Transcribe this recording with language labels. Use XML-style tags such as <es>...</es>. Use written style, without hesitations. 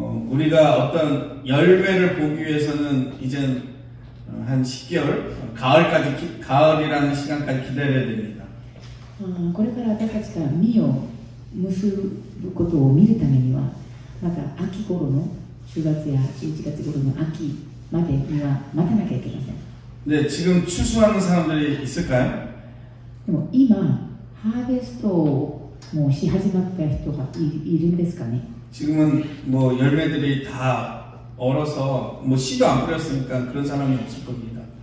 <ko>우리가 어떤 열매를 보기 위해서는 이제 한 10개월 가을까지 가을이라는 시간까지 기다려야 됩니다.</ko> <ja>これから私たちが実を結ぶことを見るためには、また秋頃の10月や11月頃の秋までには待たなきゃいけません。</ja> <ko>네, 지금 추수하는 사람들이 있을까요?</ko> <ja>今ハーベストをもうし始まった人がいるんですかね?</ja> <ko>지금은 뭐 열매들이 다 얼어서 뭐 씨도 안 뿌렸으니까 그런 사람이 없을 겁니다.</ko>